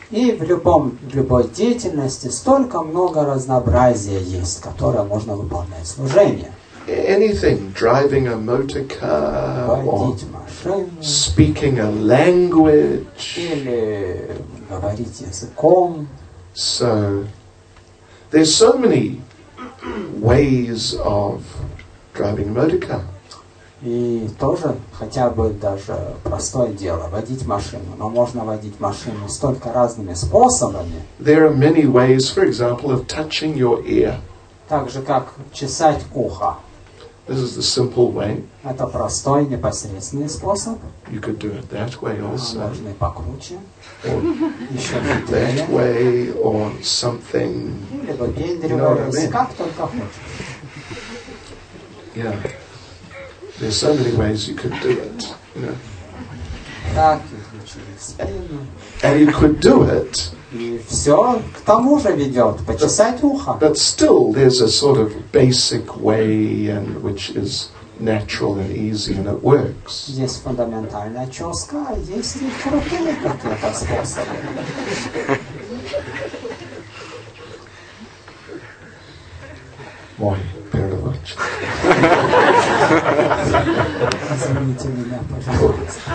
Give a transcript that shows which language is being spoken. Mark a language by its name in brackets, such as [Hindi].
[Russian] И в любой деятельности столько много разнообразия есть, которое можно выполнять в служении. [English] Anything, driving a motor car, [Russian] водить машину, [English] speaking a language, [Russian] или говорить языком. [English] So, there's so many ways of driving a motor car. [Russian] И тоже, хотя бы даже простое дело, водить машину. Но можно водить машину столько разными способами. [English] There are many ways, for example, of touching your ear. [Russian] Так же, как чесать ухо. [English] This is the simple way. [Russian] Это простой непосредственный способ. [English] You could do it that way also. [Russian] Можно и покруче. [English] That way or something. [Russian] Либо гендерный, как только хочешь. [English] Yeah. There's so many ways you could do it. [Russian] Так, включили. [English] And you could do it. [Russian] И все к тому же ведет, почесать ухо. [English] But still, there's a sort of basic way, and which is natural and easy, and it works. [Russian] Есть фундаментальная чёска, есть и крутые какие-то способы. Мой переводчик. Извините меня, пожалуйста.